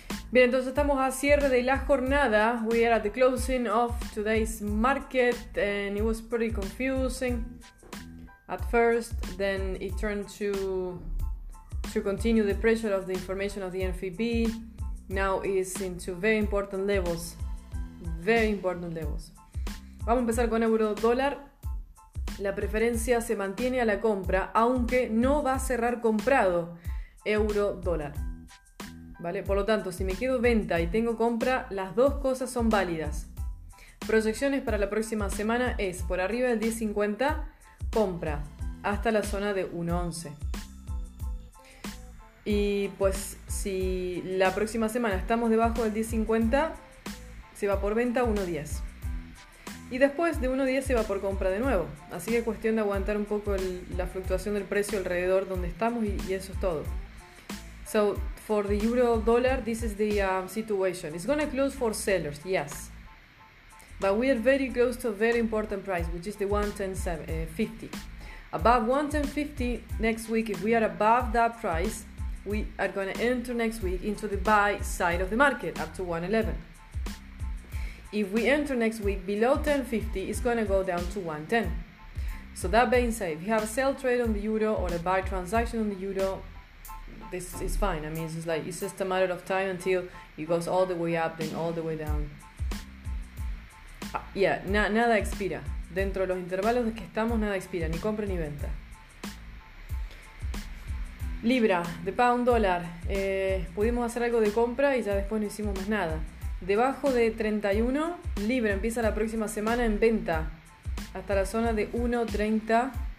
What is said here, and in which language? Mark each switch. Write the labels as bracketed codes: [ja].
[es] Bien, entonces estamos a cierre de la jornada. [en] We are at the closing of today's market and it was pretty confusing at first. Then it turned to continue the pressure of the information of the NFIB. Now it's into very important levels. Very important levels. [es] Vamos a empezar con euro-dólar. La preferencia se mantiene a la compra, aunque no va a cerrar comprado euro-dólar. ¿Vale? Por lo tanto, si me quedo venta y tengo compra, las dos cosas son válidas. Proyecciones para la próxima semana es por arriba del 10.50, compra, hasta la zona de 1.11. Y pues si la próxima semana estamos debajo del 10.50, se va por venta 1.10. Y después de 1.10 se va por compra de nuevo. Así que es cuestión de aguantar un poco la fluctuación del precio alrededor donde estamos y eso es todo. [en] So, for the euro dollar, this is the situation. It's going to close for sellers, yes. But we are very close to a very important price, which is the 110.50. Above 110.50 next week, if we are above that price, we are going to enter next week into the buy side of the market, up to 111. If we enter next week below 10.50, it's going to go down to 110. So that being said, if you have a sell trade on the euro or a buy transaction on the euro, this is fine. I mean, it's just like it's just a matter of time until it goes all the way up and all the way down. [es] Nada expira. Dentro de los intervalos de que estamos, nada expira, ni compra ni venta. Libra, de pound dólar. Pudimos hacer algo de compra y ya después no hicimos más nada. Debajo de 31, Libra empieza la próxima semana en venta hasta la zona de 1.30.